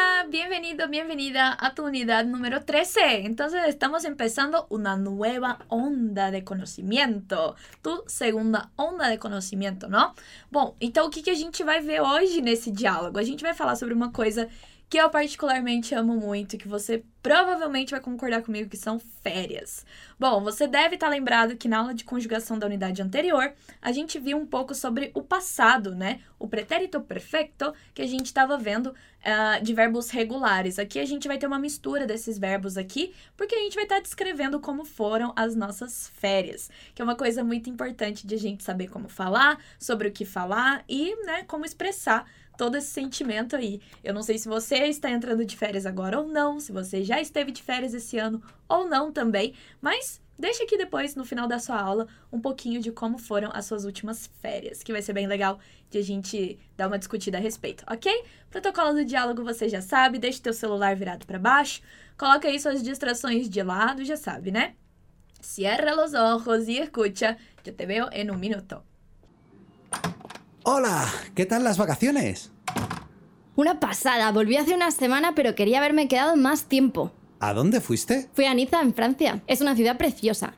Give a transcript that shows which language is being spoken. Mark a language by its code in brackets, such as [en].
[es] Bienvenido, bienvenida a tu unidad número 13. Entonces estamos empezando una nueva onda de conocimiento. Tu segunda onda de conocimiento, ¿no? [pt] Bom, então o que, que a gente vai ver hoje nesse diálogo? A gente vai falar sobre uma coisa que eu particularmente amo muito, que você provavelmente vai concordar comigo, que são férias. Bom, você deve estar lembrado que na aula de conjugação da unidade anterior, a gente viu um pouco sobre o passado, né? O pretérito perfeito que a gente estava vendo de verbos regulares. Aqui a gente vai ter uma mistura desses verbos aqui, porque a gente vai estar descrevendo como foram as nossas férias, que é uma coisa muito importante de a gente saber como falar, sobre o que falar e, né, como expressar todo esse sentimento aí. Eu não sei se você está entrando de férias agora ou não, se você já esteve de férias esse ano ou não também, mas deixa aqui depois, no final da sua aula, um pouquinho de como foram as suas últimas férias, que vai ser bem legal de a gente dar uma discutida a respeito, ok? Protocolo do diálogo você já sabe, deixa teu celular virado para baixo, coloca aí suas distrações de lado, já sabe, né? [es] Cierra los ojos y escucha, yo te veo en un minuto. ¡Hola! ¿Qué tal las vacaciones? ¡Una pasada! Volví hace una semana, pero quería haberme quedado más tiempo. ¿A dónde fuiste? Fui a Niza, en Francia. Es una ciudad preciosa.